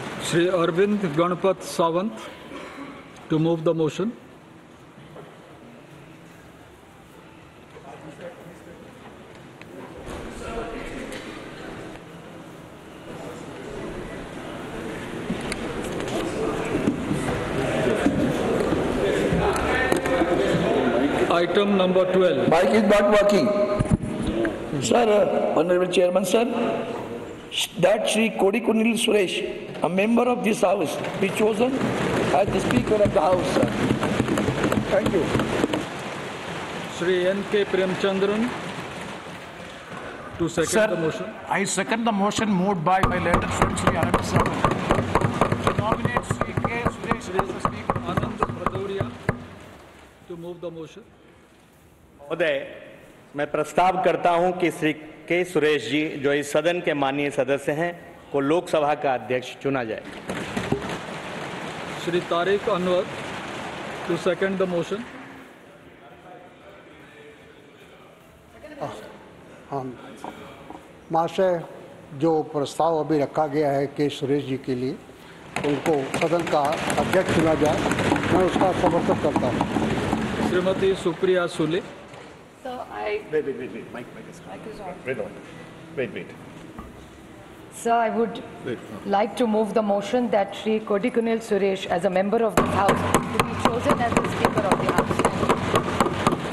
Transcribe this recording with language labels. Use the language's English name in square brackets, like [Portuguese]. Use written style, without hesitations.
[English] Shri Arvind Ganpat Sawant to move the motion Item number 12. Mic is not working. Sir, Honorable Chairman, sir, that Sri Kodikunil Suresh, a member of this house, be chosen as the Speaker of the House, sir. Thank you. Sri N.K. Premchandran, to second sir, the motion. Sir, I second the motion moved by my learned friend, Sri Arun Sir. To nominate Sri K. Suresh as the Speaker. Anand Pradhuriya, to move the motion. [Hindi] महोदय मैं प्रस्ताव करता हूं कि श्री के सुरेश जी जो इस सदन के माननीय सदस्य हैं को लोकसभा का अध्यक्ष चुना जाए [English] Shri Tariq Anwar to second the motion [Hindi] हाँ महाशय जो प्रस्ताव अभी रखा गया है के सुरेश जी के लिए उनको सदन का अध्यक्ष चुना जाए मैं उसका समर्थन करता हूं Shrimati Supriya Sule [English] Sir, I would like to move the motion that Sri Kodikunil Suresh, as a member of the House, to be chosen as the Speaker of the House.